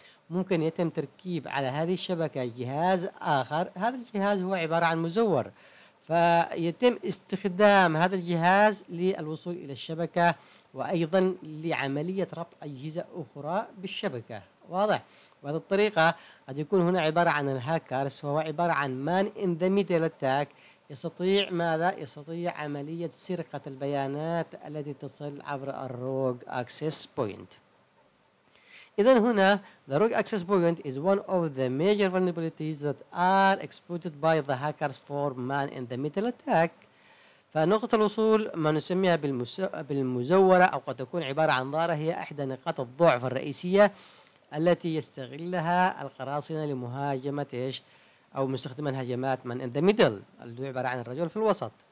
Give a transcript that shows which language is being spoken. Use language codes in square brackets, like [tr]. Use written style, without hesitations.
[ar] ممكن يتم تركيب على هذه الشبكة جهاز آخر، هذا الجهاز هو عبارة عن مزور، فيتم استخدام هذا الجهاز للوصول إلى الشبكة وأيضا لعملية ربط أجهزة أخرى بالشبكة. واضح؟ وهذه الطريقة قد يكون هنا عبارة عن الهاكرز، وهو عبارة عن man in the middle attack، يستطيع ماذا؟ يستطيع عملية سرقة البيانات التي تصل عبر الروج أكسس بوينت. إذن هنا [en] the rogue access point is one of the major vulnerabilities that are exploited by the hackers for man in the middle attack. [ar] فنقطة الوصول ما نسميها بالمزورة أو قد تكون عبارة عن ظاهرة، هي إحدى نقاط الضعف الرئيسية التي يستغلها القراصنة لمهاجمة إيش أو مستخدم هجمات man in the middle اللي عبارة عن الرجل في الوسط.